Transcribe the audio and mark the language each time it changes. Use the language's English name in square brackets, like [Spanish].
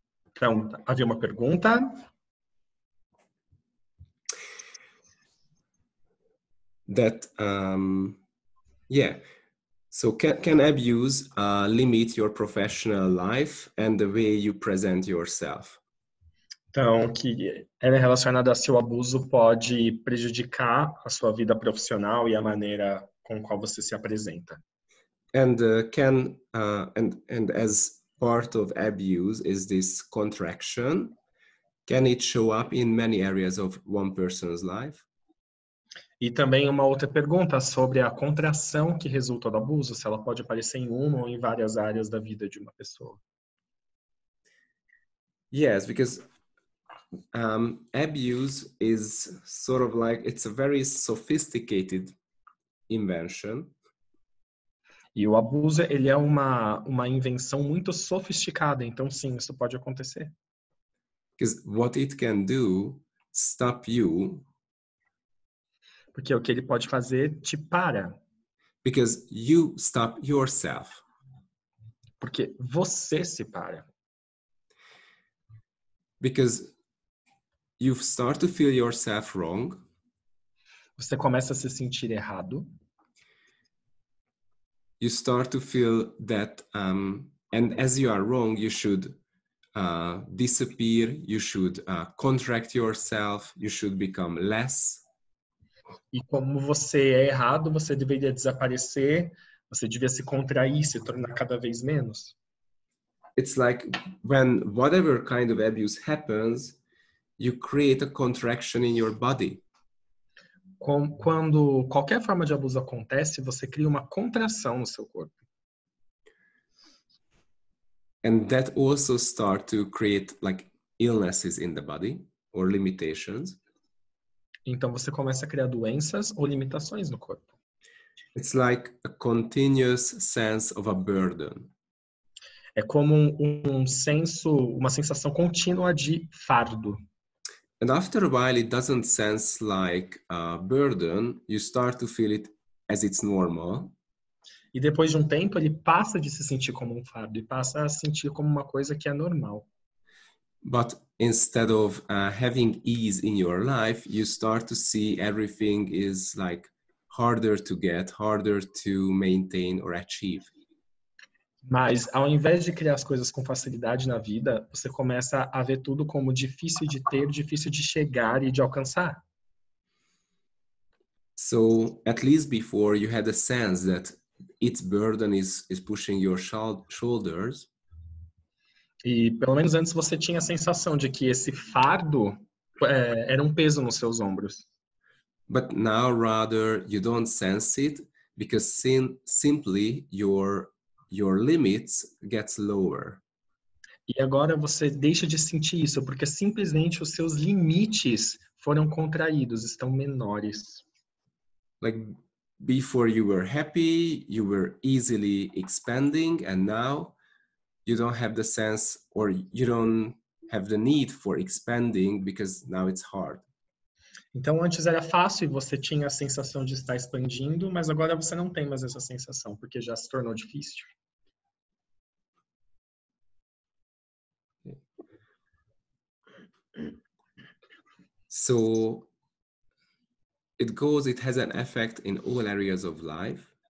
[Portuguese] Então, havia uma pergunta. [English] That, yeah. So can abuse limit your professional life and the way you present yourself? [Portuguese] Então, que ela é relacionada a se o abuso pode prejudicar a sua vida profissional e a maneira com qual você se apresenta. [English] And can and as part of abuse is this contraction, can it show up in many areas of one person's life? [Portuguese] E também uma outra pergunta sobre a contração que resulta do abuso, se ela pode aparecer em uma ou em várias áreas da vida de uma pessoa. [English] Yes, because abuse is sort of like, it's a very sophisticated invention. [Portuguese] E o abuso, ele é uma invenção muito sofisticada, então sim, isso pode acontecer. [English] Because what it can do, stop you [Portuguese] Porque o que ele pode fazer te para. [English] Because you stop yourself. [Portuguese] Porque você se para. [English] Because you start to feel yourself wrong. [Portuguese] Você começa a se sentir errado. [English] You start to feel that, and as you are wrong, you should disappear, you should contract yourself, you should become less. [Portuguese] E como você é errado, você deveria desaparecer, você devia se contrair, se tornar cada vez menos. [English] It's like when whatever kind of abuse happens, you create a contraction in your body. [Portuguese] Quando qualquer forma de abuso acontece, você cria uma contração no seu corpo. [English] And that also start to create like illnesses in the body or limitations. [Portuguese] Então você começa a criar doenças ou limitações no corpo. [English] It's like a continuous sense of a burden. [Portuguese] É como uma sensação contínua de fardo. [English] And after a while, it doesn't sense like a burden. You start to feel it as it's normal. [Portuguese] E depois de tempo, ele passa de se sentir como fardo e passa a sentir como uma coisa que é normal. [English] But instead of having ease in your life, you start to see everything is like harder to get, harder to maintain or achieve. [Portuguese] Mas, ao invés de criar as coisas com facilidade na vida, você começa a ver tudo como difícil de ter, difícil de chegar e de alcançar. [English] So, at least before, you had a sense that its burden is pushing your shoulders. [Portuguese] E, pelo menos antes, você tinha a sensação de que esse fardo era um peso nos seus ombros. [English] But now, rather, you don't sense it, because simply your limits gets lower. [Portuguese] E agora você deixa de sentir isso, porque simplesmente os seus limites foram contraídos, estão menores. [English] Like, before you were happy, you were easily expanding, and now you don't have the sense, or you don't have the need for expanding, because now it's hard. [Portuguese] Então, antes era fácil e você tinha a sensação de estar expandindo, mas agora você não tem mais essa sensação, porque já se tornou difícil. [English] So, it has an effect in all areas of life.